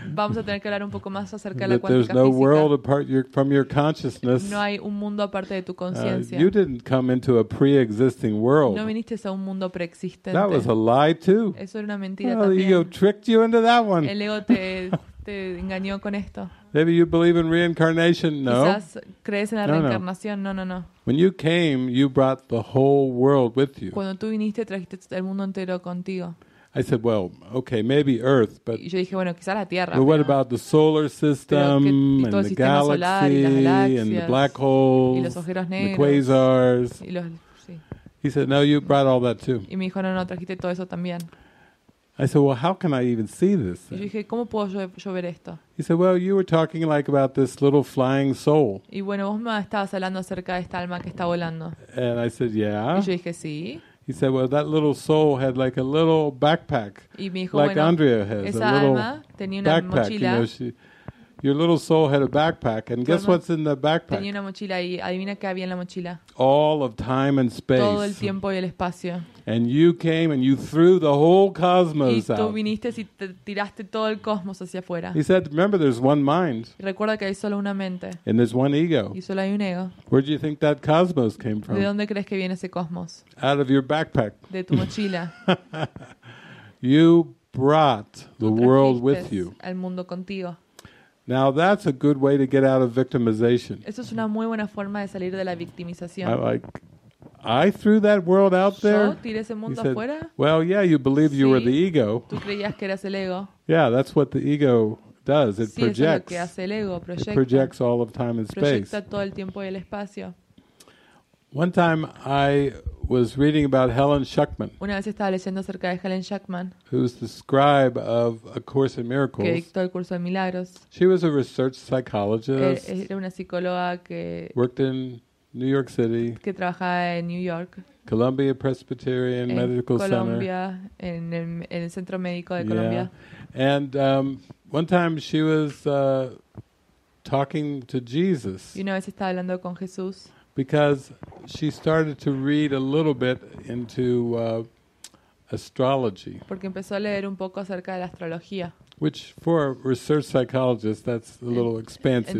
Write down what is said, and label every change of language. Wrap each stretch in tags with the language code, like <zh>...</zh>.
<es>Vamos a tener que hablar un poco más acerca de la cuántica física.</es> <en>There's no world apart from your consciousness.</en> <es>No hay un mundo aparte de tu conciencia.</es> <en>You didn't come into a pre-existing world.</en> <es>No viniste a un mundo preexistente.</es> <en>That was a lie too.</en> <es>Eso era una mentira también.</es> <en>The ego tricked you into that one.</en> <es>El ego te engañó con esto.</es> <en>Maybe you believe in reincarnation? No.</en> <es>Quizás crees en la reencarnación. No.</es> <en>When you came, you brought the whole world with you.</en> <es>Cuando tú viniste, trajiste el mundo entero contigo.</es> <en>I said, well, okay, maybe Earth, but.</en> <es>Y yo dije, bueno, quizás la Tierra.</es> <en>But what about the solar system and the galaxy and the black holes</en> <es>y los agujeros negros,</es> <en>and the quasars?</en> <es>Y los, sí.</es> <en>He said, no, you brought all that too.</en> <es>Y me dijo, no, trajiste todo eso también.</es> <en>I said, well, how can I even see this?</en> <es>Y dije, ¿cómo puedo yo ver esto?</es> <en>He said, well, you were talking like about this little flying soul.</en> <es>Y bueno, vos me estabas hablando acerca de esta alma que está volando.</es> <en>And I said, yeah.</en> <es>Y yo dije, sí.</es> <en>He said, well, that little soul had like a little backpack.</en> <es>Y me dijo,</es> <en>like</en> <es>bueno,</es> <en>Andrea has,</en> <es>esa</es> <en>a little</en> <es>alma tenía una mochila.</es> <en>You know, your little soul had a backpack, and guess what's in the backpack?</en> <es>Tenía una mochila y adivina qué había en la mochila.</es> <en>All of time and space.</en> <es>Todo el tiempo y el espacio.</es> <en>And you came and you threw the whole cosmos out.</en> <es>Y tú viniste y te tiraste todo el cosmos hacia afuera.</es> <en>He said, remember, there's one mind.</en> <es>Recuerda que hay solo una mente.</es> <en>And there's one ego.</en> <es>Y solo hay un ego.</es> <en>Where do you think that cosmos came from?</en> <es>¿De dónde crees que viene ese cosmos?</es> <en>Out of your backpack.</en> <es>De tu mochila.</es> <en>You brought the world with you.</en> <es>Al mundo contigo.</es> <en>Now that's a good way to get out of victimization.</en> <es>Eso es una muy buena forma de salir de la victimización.</es> <en>I threw that world out there.</en> <es>¿Yo tiré ese mundo</es> <en>he said,</en> <es>afuera?</es> <en>Well, yeah, you believe</en> <es>sí,</es> <en>you were the ego.</en> <es>¿Tú creías que eras el ego?</es> <en>Yeah, that's what the ego does. It</en> <es>sí,</es> <en>projects.</en> <es>Eso es lo que hace el ego, proyecta.</es> <en>It projects all of time and space.</en> <es>Proyecta todo el tiempo y el espacio.</es> <en>One time I was reading about Helen Schuckman.</en> <es>Una vez estaba leyendo acerca de Helen Schuckman.</es> <en>Who's the scribe of A Course in Miracles.</en> <es>Que dictó el curso de milagros.</es> <en>She was a research psychologist.</en> <es>Era una psicóloga que</es> <en>worked in New York City.</en> <es>Que trabajaba en New York.</es> <en>Columbia Presbyterian</en> <es>en</es> <en>Medical</en> <es>Columbia,</es> <en>Center.</en> <es>Columbia, en el centro médico de Columbia.</es> <en>Yeah. And one time she was talking to Jesus.</en> <es>Y una vez estaba hablando con Jesús.</es> <en>Because she started to read a little bit into astrology.</en> <es>Porque empezó a leer un poco acerca de la astrología.</es> <en>Which, for a research psychologist, that's a little expansive.</en>